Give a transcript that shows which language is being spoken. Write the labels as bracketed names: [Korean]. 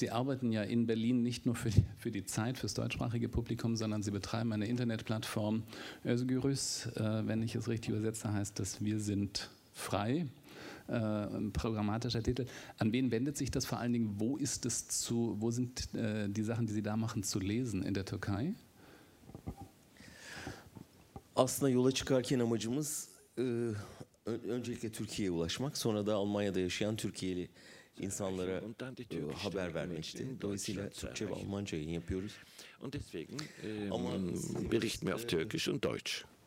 [German] Sie arbeiten ja in Berlin nicht nur für die Zeit, fürs deutschsprachige Publikum, sondern Sie betreiben eine Internetplattform. Özgürüz, wenn ich es richtig übersetze, heißt das Wir sind frei. Ein programmatischer Titel. An wen wendet sich das vor allen Dingen? Wo sind die Sachen, die Sie da machen, zu lesen in der Türkei? [Turkish] Aslında yola çıkarken amacımız öncelikle Türkiye'ye ulaşmak, sonra da Almanya'da yaşayan Türkiye'li insanlara haber vermekti. Dolayısıyla Türkçe ve Almanca yayın yapıyoruz. [German] Und deswegen berichten wir auf Türkisch und Deutsch.